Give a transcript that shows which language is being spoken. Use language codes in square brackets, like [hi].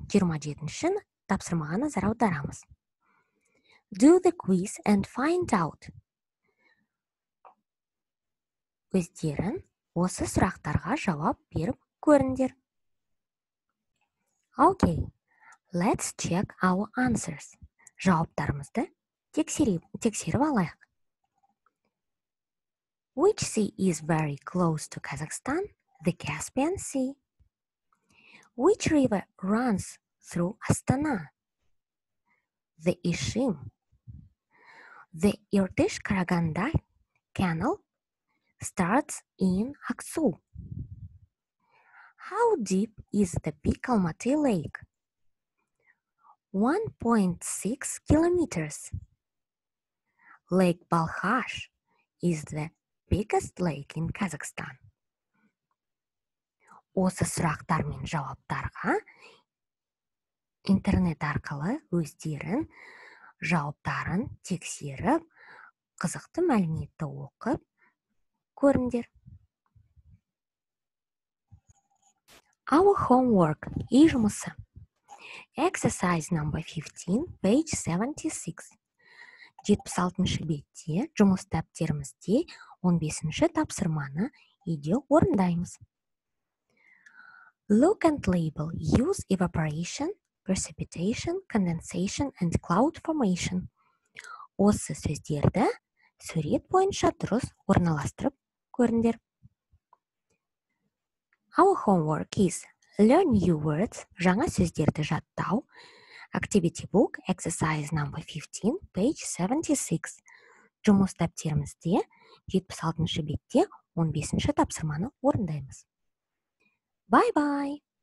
[kk] 27-ші тапсырмаға назар аударамыз. [en] Do the quiz and find out. [kk] Өздерің осы сұрақтарға жауап беріп көріңдер. [en] Okay, let's check our answers. [kk] Жауаптарымызды тексеріп алайық. [en] Which sea is very close to Kazakhstan? The Caspian Sea. Which river runs through Astana? The Ishim. The Irtysh-Karaganda Canal starts in Aksu. How deep is the Big Almaty Lake? 1.6 kilometers. Lake Balkhash is the biggest lake in Kazakhstan. [kk] Осы сұрақтар мен жауаптарға интернет арқылы өздерін жауаптарын тексеріп, қызықты мәліметті оқып көріңдер. [en] Our homework is жұмысы. Exercise number 15, page 76. [kk] 76 бетте жұмыс дәптерімізде 15-ші тапсырманы үйде орындаймыз. [en] Look and label. Use evaporation, precipitation, condensation, and cloud formation. [kk] Осы сөздерді сурет бойынша дұрыс орналастырып көріндер. [en] Our homework is learn new words. [kk] Жаңа сөздерді жаттау. [en] Activity book, exercise number 15, page 76. [kk] Жұмыс дәптерімізде 76-ші бетте 15-ші тапсырманы орындаймыз. [en] Bye-bye.